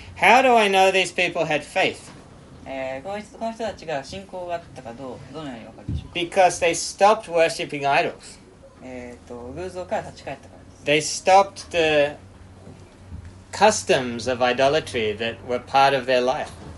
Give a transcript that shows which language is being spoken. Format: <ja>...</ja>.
<en>How do I know these people had faith?</en> <ja>この人たちが信仰があったかどのようにわかるでしょうか?</ja> <en>Because they stopped worshipping idols.</en> <ja>偶像から立ち返ったからです。</ja> <en>They stopped thecustoms of idolatry that were part of their life.</en>